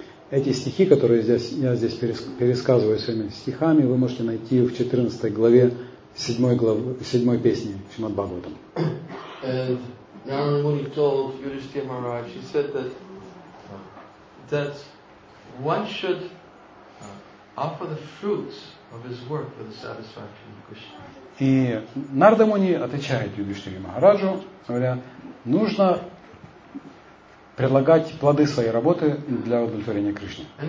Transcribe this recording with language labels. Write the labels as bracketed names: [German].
[Russian] Эти стихи, которые здесь, я здесь пересказываю своими стихами, вы можете найти в 14 главе 7 песни Шримад Бхагаватам. [English] Narada Muni told Yudhishthira Maharaj, he said that that one should offer the fruits of his work for the satisfaction of Krishna. [Russian] И Нарада Муни отвечает Юдхиштхире Махараджу, говоря, нужно предлагать плоды своей работы для удовлетворения Кришны.